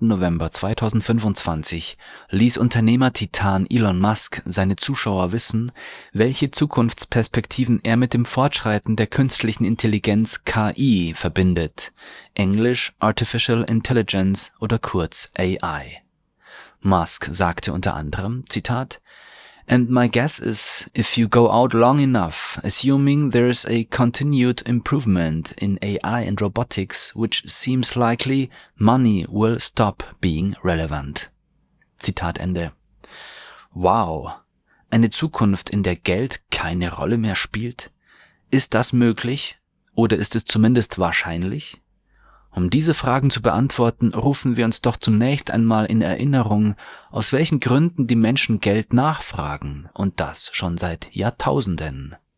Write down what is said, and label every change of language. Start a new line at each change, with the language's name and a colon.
German: November 2025 ließ Unternehmer-Titan Elon Musk seine Zuschauer wissen, welche Zukunftsperspektiven er mit dem Fortschreiten der künstlichen Intelligenz KI verbindet, Englisch Artificial Intelligence oder kurz AI. Musk sagte unter anderem, Zitat,
English: "And my guess is, if you go out long enough, assuming there is a continued improvement in AI and robotics, which seems likely, money will stop being relevant."
German: Zitat Ende. Wow. Eine Zukunft, in der Geld keine Rolle mehr spielt? Ist das möglich? Oder ist es zumindest wahrscheinlich? Um diese Fragen zu beantworten, rufen wir uns doch zunächst einmal in Erinnerung, aus welchen Gründen die Menschen Geld nachfragen, und das schon seit Jahrtausenden.